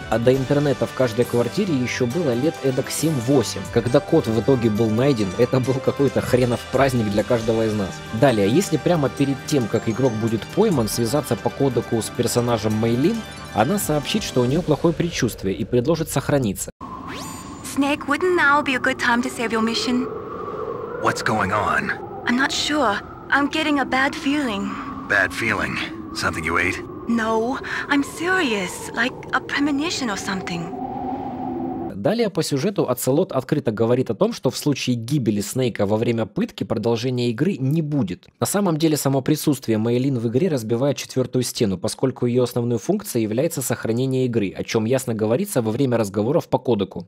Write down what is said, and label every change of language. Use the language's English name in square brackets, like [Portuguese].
[Russian] А до интернета в каждой квартире еще было лет эдак 7-8. Когда код в итоге был найден, это был какой-то хренов праздник для каждого из нас. Далее, если прямо перед тем, как игрок будет пойман, связаться по кодеку с персонажем Мэйлин, она сообщит, что у нее плохое предчувствие, и предложит сохраниться. [English] Снейк, wouldn't now be a good time to save your mission? What's going on? I'm not sure. I'm getting a bad feeling. Bad feeling? Something you ate? No, I'm serious. Like a premonition or something. [Russian] Далее по сюжету Оцелот открыто говорит о том, что в случае гибели Снейка во время пытки продолжения игры не будет. На самом деле само присутствие Мэйлин в игре разбивает четвертую стену, поскольку ее основной функцией является сохранение игры, о чем ясно говорится во время разговоров по кодеку.